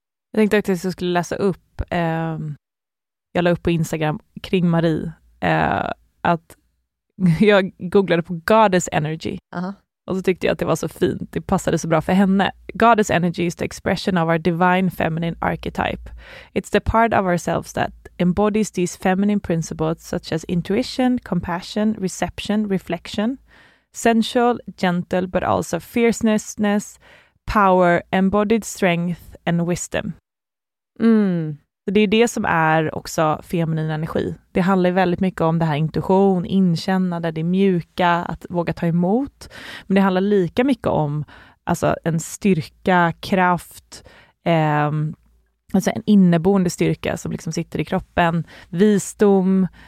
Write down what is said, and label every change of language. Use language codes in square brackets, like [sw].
[sv] Jag tänkte att jag skulle läsa upp, jag la upp på Instagram kring Marie, att jag googlade på goddess energy. Och så tyckte jag att det var så fint. Det passade så bra för henne. [en] Goddess energy is the expression of our divine feminine archetype. It's the part of ourselves that embodies these feminine principles such as intuition, compassion, reception, reflection, sensual, gentle, but also fierceness, power, embodied strength and wisdom. Mm. [sv] Så det är det som är också feminin energi. Det handlar väldigt mycket om det här intuition, inkännande, det mjuka, att våga ta emot. Men det handlar lika mycket om alltså en styrka, kraft, alltså en inneboende styrka som liksom sitter i kroppen, visdom.